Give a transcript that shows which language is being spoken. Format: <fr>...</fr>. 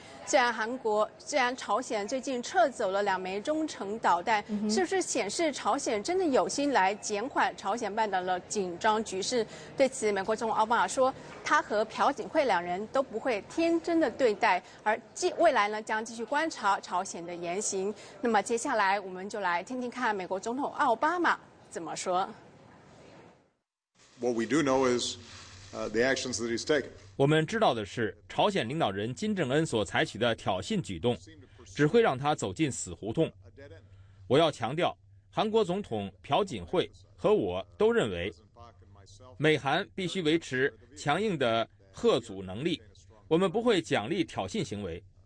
<zh>虽然朝鲜最近撤走了两枚中程导弹，是不是显示朝鲜真的有心来减缓朝鲜半岛的紧张局势？对此，美国总统奥巴马说，他和朴槿惠两人都不会天真的对待，而未来呢将继续观察朝鲜的言行。那么接下来我们就来听听看美国总统奥巴马怎么说。</zh> <en>What we do know is the actions that he's taken.</en> <zh>我们知道的是，朝鲜领导人金正恩所采取的挑衅举动只会让他走进死胡同。我要强调，韩国总统朴槿惠和我都认为美韩必须维持强硬的遏阻能力，我们不会奖励挑衅行为。</zh>